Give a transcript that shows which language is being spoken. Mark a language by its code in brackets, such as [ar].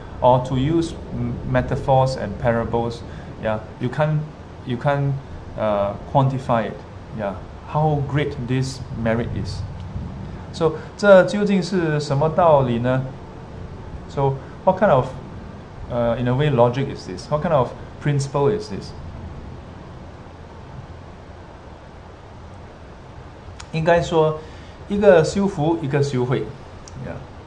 [en] or to use metaphors and parables, you can't quantify it. Yeah, how great this merit is. [zh] So, 这究竟是什么道理呢? [en] So, what kind of, in a way, logic is this? What kind of principle is this? [zh] 应该说，一个修福，一个修慧.Yeah.